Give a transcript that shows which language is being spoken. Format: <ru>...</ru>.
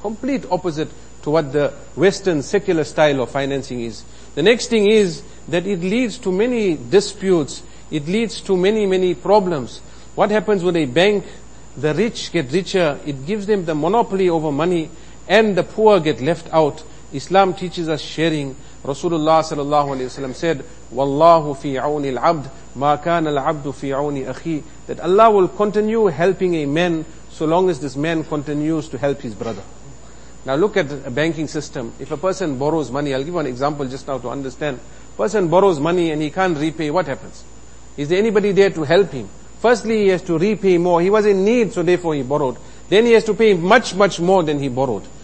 <en>Complete opposite to what the Western secular style of financing is. The next thing is that it leads to many disputes. It leads to many, many problems. What happens when a bank, the rich get richer, it gives them the monopoly over money, and the poor get left out. Islam teaches us sharing. Rasulullah sallallahu alayhi wa sallam said,</en> <ar>وَاللَّهُ فِي عَوْنِ الْعَبْدِ مَا كَانَ الْعَبْدُ فِي عَوْنِ أَخِي.</ar> <en>That Allah will continue helping a man so long as this man continues to help his brother. Now look at a banking system. If a person borrows money, I'll give an example just now to understand. Person borrows money and he can't repay, what happens? Is there anybody there to help him? Firstly, he has to repay more. He was in need, so therefore he borrowed. Then he has to pay much, much more than he borrowed.</en>